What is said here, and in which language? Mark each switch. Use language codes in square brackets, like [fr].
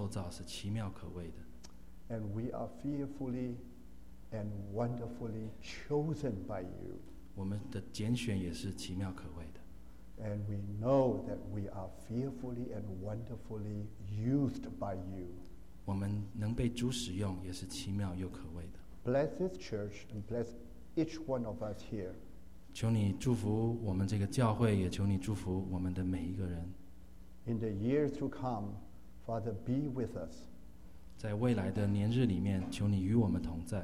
[zh] 天父，我们知道我们是我们的受造是奇妙可畏的。 [en] And we are fearfully and wonderfully chosen by you. [zh] 我们的拣选也是奇妙可畏的。 [en] And we know that we are fearfully and wonderfully used by you. [zh] 我们能被主使用也是奇妙又可畏的。 [en] Bless this church and bless each one of us here. [zh] 求你祝福我们这个教会, 也求你祝福我们的每一个人。 [en] In the years to come, Father, be with us. [zh] 在未来的年日里面, 求你与我们同在。